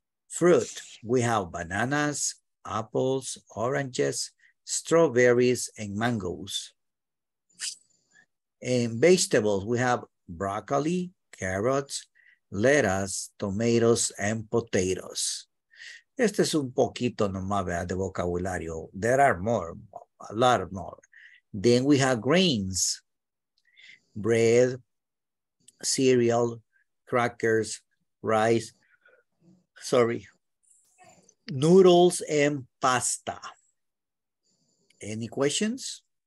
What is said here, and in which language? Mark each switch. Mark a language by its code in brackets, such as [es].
[en] Fruit, we have bananas, apples, oranges, strawberries, and mangoes. And vegetables, we have broccoli, carrots, lettuce, tomatoes, and potatoes. [es] Este es un poquito nomás, ¿verdad? De vocabulario. [en] There are more, a lot more. Then we have grains, bread, cereal, crackers, rice, sorry, noodles, and pasta. Any questions?